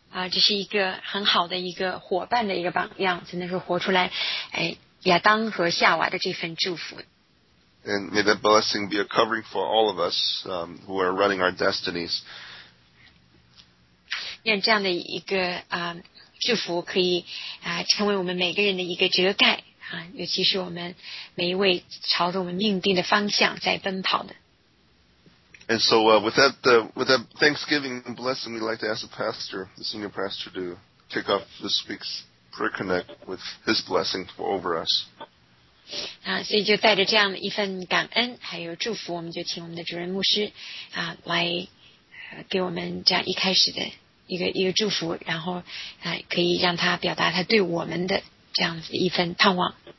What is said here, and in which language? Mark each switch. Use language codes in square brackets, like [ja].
[zh] 这是一个很好的一个伙伴的一个榜样，真的是活出来，亚当和夏娃的这份祝福。 [en] And may that blessing be a covering for all of us, who are running our destinies. [zh] 愿这样的一个祝福可以成为我们每个人的一个遮盖尤其是我们每一位朝着我们命定的方向在奔跑的。 [en] And so, with that Thanksgiving blessing, we'd like to ask the pastor, the senior pastor, to kick off this week's prayer connect with his blessing over us. [zh] 所以就带着这样一份感恩还有祝福，我们就请我们的主任牧师来给我们这样一开始的一个祝福，然后可以让他表达他对我们的这样子一份盼望。